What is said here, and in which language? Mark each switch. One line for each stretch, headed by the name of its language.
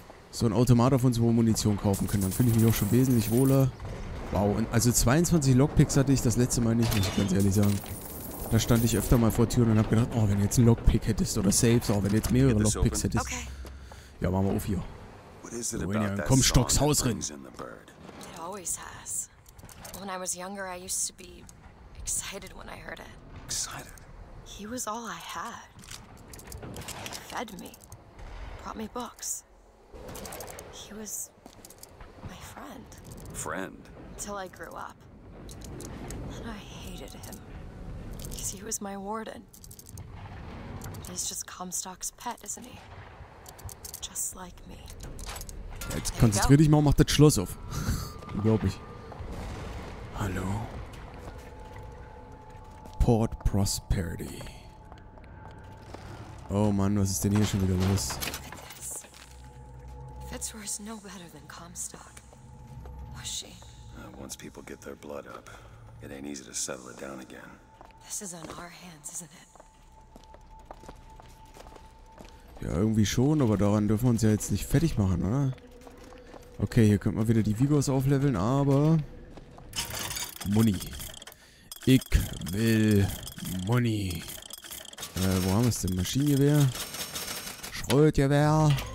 German: So ein Automat auf uns, wo wir Munition kaufen können. Dann fühle ich mich auch schon wesentlich wohler. Wow, also 22 Lockpicks hatte ich das letzte Mal nicht, muss ich ganz ehrlich sagen. Da stand ich öfter mal vor Türen und habe gedacht, oh, wenn du jetzt ein Lockpick hättest oder Saves, auch wenn du jetzt mehrere Lockpicks hättest. Okay. Ja, machen wir auf hier. Wenn komm, Stocks Haus rein.
English: Always has. When I was younger, I used to be excited when I heard it. Excited? He was all I had. He fed me. Brought me books. He was my friend. Friend? Until I grew up. And I hated him. Because he was my warden. He's just Comstock's pet, isn't he? Just like me.
German: Jetzt konzentrier dich mal und mach das Schloss auf. Glaube ich. Hallo.
English: Port Prosperity.
German: Oh Mann, was ist denn hier schon wieder los?
English: Fitzroy is no better than Comstock. Was she? Once people get their blood up, it ain't easy to settle it down again. This is on our hands, isn't it?
German: Ja, irgendwie schon, aber daran dürfen wir uns ja jetzt nicht fertig machen, oder? Okay, hier könnte man wieder die Vigors aufleveln, aber... Money. Ich will Money. Wo haben wir es denn? Maschinengewehr? Schrotgewehr?